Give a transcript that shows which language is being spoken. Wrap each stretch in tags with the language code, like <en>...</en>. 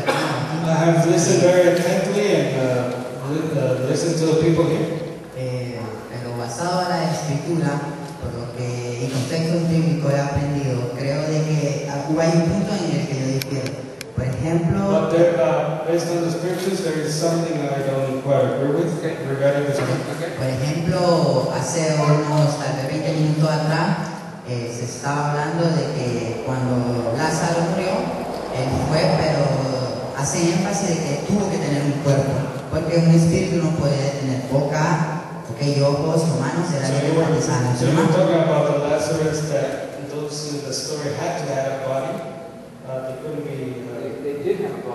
<en>Listen very attentively and listen to the people here.</en> <es>Pero basado en la escritura, por lo que en contexto bíblico he aprendido, creo de que hay un punto en el que yo difiero. Por ejemplo,</es> <en>but there, based on the scriptures, there is something that I don't quite agree with regarding this one.</en> <es>Por ejemplo, hace unos 20 minutos atrás se estaba hablando de que cuando Lázaro murió, él fue, pero hace énfasis de que tuvo que tener un cuerpo, porque un espíritu no puede tener boca, porque okay, ojos, manos, será</es> <en>so</en> <es>que cuando sale el tema.</es> <en>So talking about the Lazarus that those in the story had to have a body, they couldn't be...</en>